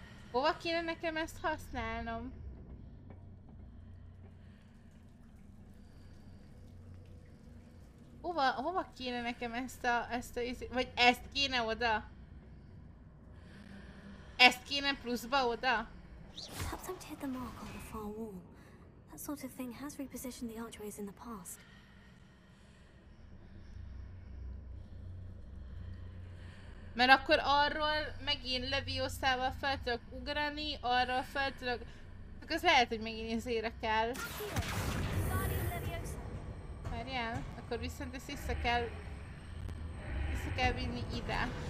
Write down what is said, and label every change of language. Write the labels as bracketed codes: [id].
[hu] Hova kéne nekem ezt használnom? Hova kéne nekem ezt a vagy ezt kéne oda? Ezt kéne pluszba oda? [en] Perhaps I've hit the mark on the far wall. That sort of thing has repositioned the archways in the past. [hu] Mert akkor arról megint Leviosával fel tudok ugrani, arról fel tudok... Csak az lehet, hogy megint ezére kell. Várjál. Akkor viszont ezt vissza kell vinni ide.